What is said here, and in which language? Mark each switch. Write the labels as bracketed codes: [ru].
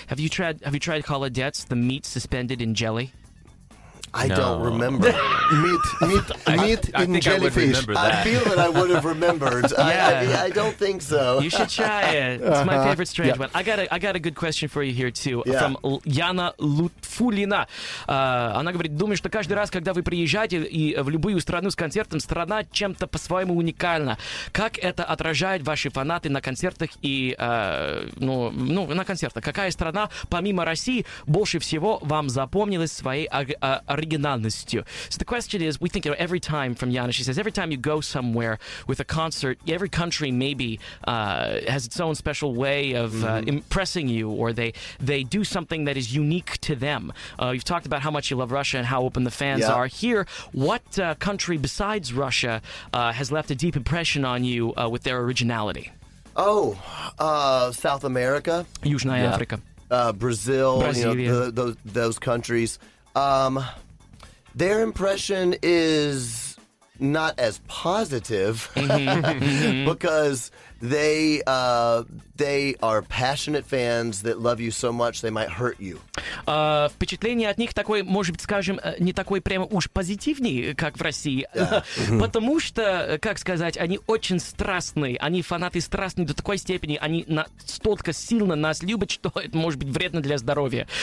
[en] Have you tried холодец, the meat suspended in jelly? I don't remember. meat in jellyfish. I feel that I would have remembered. I don't think so. You should try it. It's my favorite strange one. I got a good question for you here too. Yeah. From Яна Лутфулина. [ru] Она говорит, думаю, что каждый раз, когда вы приезжаете и в любую страну с концертом, страна чем-то по-своему уникальна. Как это отражает ваши фанаты на концертах и на концертах? Какая страна, помимо России, больше всего вам запомнилась своей оригинальностью. [en] So the question is, we think, you know, every time from Yana, she says, every time you go somewhere with a concert, every country maybe has its own special way of impressing you, or they do something that is unique to them. You've talked about how much you love Russia and how open the fans are here. What country besides Russia has left a deep impression on you with their originality? Oh, South America. [ru] Южная Африка. [en] Brazil, you know, those countries. Their impression is not as positive because they are passionate fans that love you so much they might hurt you. [ru] Впечатление от них такое, может быть, скажем, не такое прямо уж позитивнее, как в России. Потому что, как сказать, они очень страстные. Они фанаты страстные до такой степени. Они настолько сильно нас любят, что это может быть вредно для здоровья.